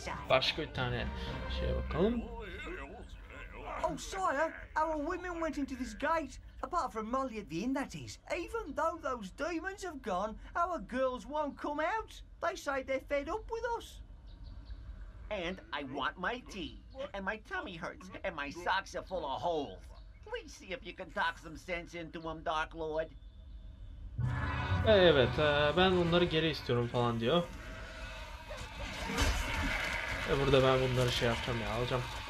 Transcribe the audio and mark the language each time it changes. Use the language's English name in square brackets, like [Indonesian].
[Turkish] Başka bir tane şeye bakalım. [English] Oh sire, our women went into this gate. Apart from Molly at the inn, that is. Even though those demons have gone, our girls won't come out. They say they're fed up with us. And I want my tea. And my tummy hurts. And my socks are full of holes. Please see if you can talk some sense into them, Dark Lord. [Turkish] Evet, ben onları geri istiyorum falan diyor. Burada ben bunları şey yapacağım ya, alacağım.